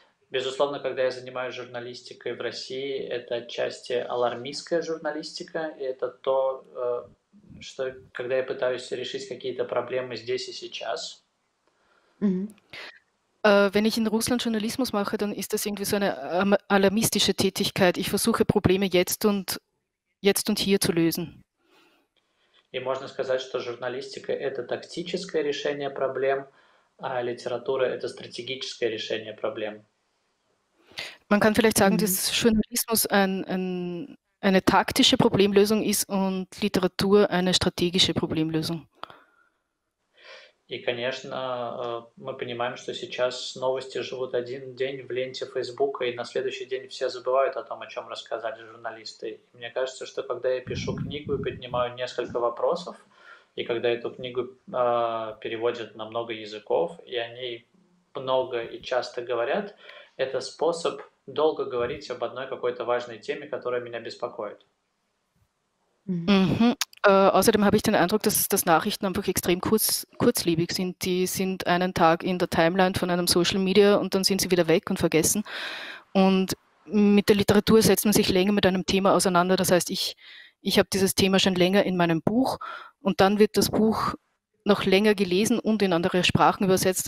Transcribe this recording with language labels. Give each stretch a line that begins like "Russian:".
Russian: Безусловно, когда я занимаюсь журналистикой в России, это отчасти алармистская журналистика. И это то, что когда я пытаюсь решить какие-то проблемы здесь и сейчас.
German: Wenn ich in Russland Journalismus mache, dann ist das irgendwie so eine alarmistische Tätigkeit. Ich versuche Probleme jetzt und hier zu lösen.
Russian: И можно сказать, что журналистика – это тактическое решение проблем, а литература – это стратегическое решение проблем.
German: Man kann vielleicht sagen, dass Journalismus eine taktische Problemlösung ist und Literatur eine strategische Problemlösung.
Russian: И, конечно, мы понимаем, что сейчас новости живут один день в ленте Фейсбука, и на следующий день все забывают о том, о чем рассказали журналисты. И мне кажется, что когда я пишу книгу и поднимаю несколько вопросов, и когда эту книгу переводят на много языков, и о ней много и часто говорят, это способ долго говорить об одной какой-то важной теме, которая меня беспокоит.
German: Außerdem habe ich den Eindruck, dass Nachrichten einfach extrem kurzlebig sind. Die sind einen Tag in der Timeline von einem Social Media und dann sind sie wieder weg und vergessen. Und mit der Literatur setzt man sich länger mit einem Thema auseinander. Das heißt, ich habe dieses Thema schon länger in meinem Buch und dann wird das Buch noch länger gelesen und in andere Sprachen übersetzt.